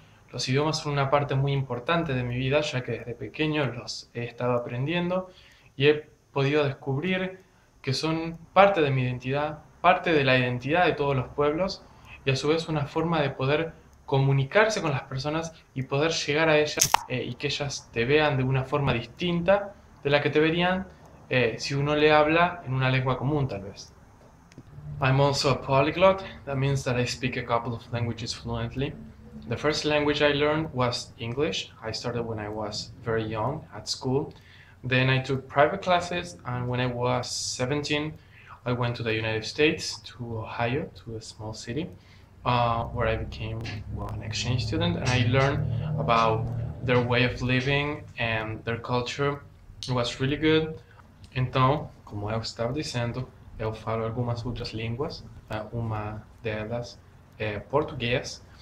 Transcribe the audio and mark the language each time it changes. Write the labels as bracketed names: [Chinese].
[Spanish] Los idiomas son una parte muy importante de mi vida, ya que desde pequeño los he estado aprendiendo y he podido descubrir que son parte de mi identidad, parte de la identidad de todos los pueblos y a su vez una forma de poder comunicarse con las personas y poder llegar a ellas y que ellas te vean de una forma distinta de la que te verían. Si uno le habla en una lengua común, tal vez. [English] I'm also a polyglot. That means that I speak a couple of languages fluently. The first language I learned was English. I started when I was very young at school. Then I took private classes, and when I was 17, I went to the United States, to Ohio, to a small city, where I became, well, an exchange student, and I learned about their way of living and their culture. It was really good. [Spanish] Entonces, como [Portuguese] eu [Spanish] estaba diciendo, [Portuguese] eu falo [Spanish] algunas otras lenguas, una de ellas es portugués.